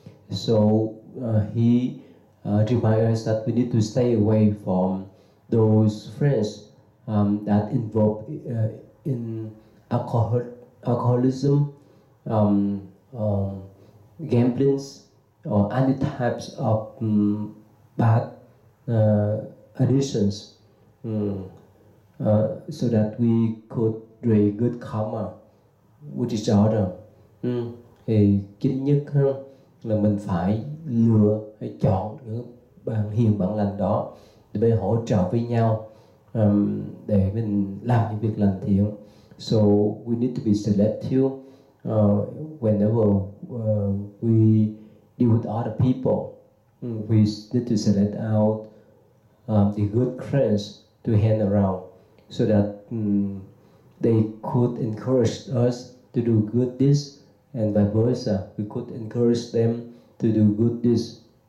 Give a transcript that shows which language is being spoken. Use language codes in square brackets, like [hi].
[en] So he reminds that we need to stay away from those friends that involve in alcoholism, gambling, or any types of bad additions, so that we could create good karma with each other. [vi] Thì chính nhất là mình phải lựa, phải chọn những bạn hiền bạn lành đó để mình hỗ trợ với nhau để mình làm những việc lành thiện. [en] So we need to be selective whenever we deal with other people. We need to select out the good friends to hang around so that they could encourage us to do good deeds, and vice versa, we could encourage them to do good deeds.